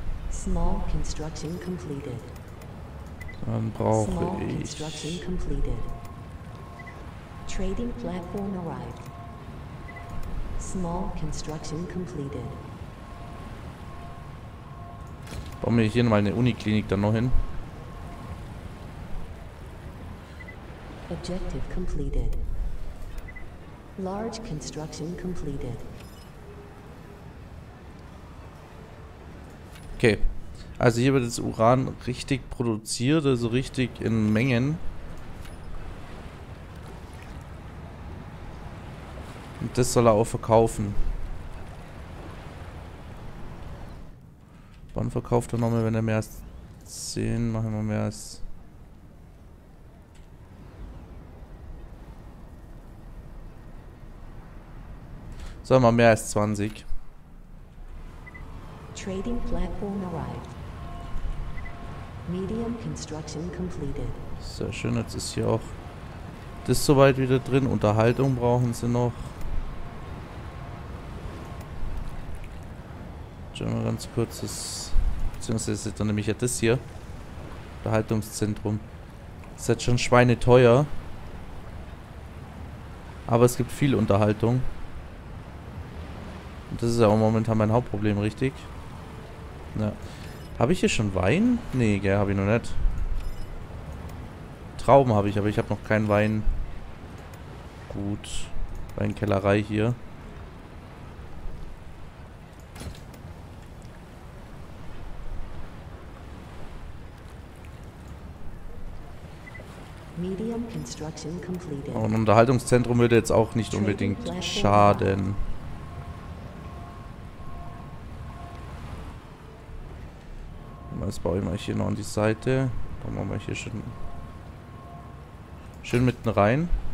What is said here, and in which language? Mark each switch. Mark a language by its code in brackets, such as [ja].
[en] Small construction completed. [de] Dann brauche ich. [en] Small construction completed. Trading platform arrived. Small construction completed. [de] Bauen wir hier nochmal eine Uniklinik dann noch hin. [en] Objective completed. Large construction completed. [de] Okay, also hier wird das Uran richtig produziert, also richtig in Mengen. Und das soll er auch verkaufen. Wann verkauft er nochmal, wenn er mehr als 10, machen wir mehr als... Sagen wir mehr als 20. [en] Trading platform arrived. Medium construction completed. [de] Sehr schön, jetzt ist hier auch das soweit wieder drin. Unterhaltung brauchen sie noch. Schauen wir ganz kurz das. Beziehungsweise dann nehme ich ja das hier. Unterhaltungszentrum. Ist jetzt schon schweineteuer. Aber es gibt viel Unterhaltung. Und das ist ja auch momentan mein Hauptproblem, richtig? Ja. Habe ich hier schon Wein? Nee, gell, habe ich noch nicht. Trauben habe ich, aber ich habe noch keinen Wein. Gut. Weinkellerei hier. [en] Medium construction completed. [de] Und ein Unterhaltungszentrum würde jetzt auch nicht unbedingt schaden. Jetzt baue ich mal hier noch an die Seite. Bauen wir mal hier schön mitten rein.